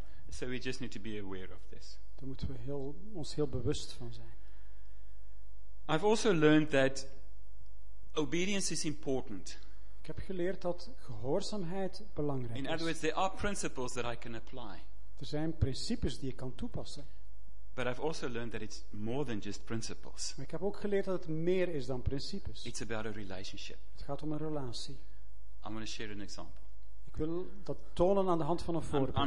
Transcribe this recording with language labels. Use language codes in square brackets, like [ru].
[en] So we just need to be aware of this. [nl] Daar moeten we ons heel bewust van zijn. [en] I've also learned that obedience is important. [nl] Ik heb geleerd dat gehoorzaamheid belangrijk [en] is. In other words, there are principles that I can apply. [nl] Er zijn principes die ik kan toepassen. [en] But I've also learned that it's more than just principles. [nl] Maar ik heb ook geleerd dat het meer is dan principes. [en] It's about a relationship. [nl] Het gaat om een relatie. [en] I'm going to share an example. [nl] Ik wil dat tonen aan de hand van een voorbeeld.